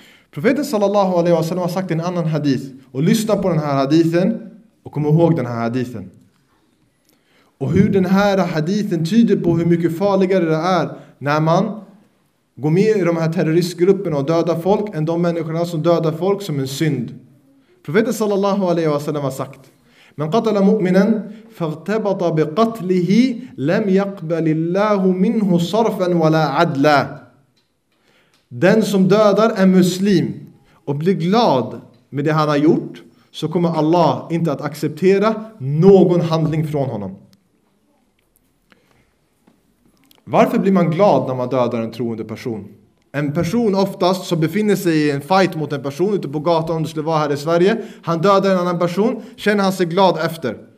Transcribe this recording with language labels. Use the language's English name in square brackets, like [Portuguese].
[Swedish] Profeten sallallahu alaihi wasallam har sagt en annan hadith. Och lyssna på den här hadithen och kom ihåg den här hadithen. Och hur den här hadithen tyder på hur mycket farligare det är när man går med i de här terroristgrupperna och dödar folk än de människorna som dödar folk som en synd. Profeten sallallahu alaihi wasallam har sagt: [Arabic] من قتل مؤمنا فارتبط بقتله لم يقبل الله منه صرفا ولا عدلا. [Swedish] Den som dödar en muslim och blir glad med det han har gjort, så kommer Allah inte att acceptera någon handling från honom. Varför blir man glad när man dödar en troende person? En person oftast som befinner sig i en fight mot en person ute på gatan, om det skulle vara här i Sverige, han dödar en annan person, känner han sig glad efter.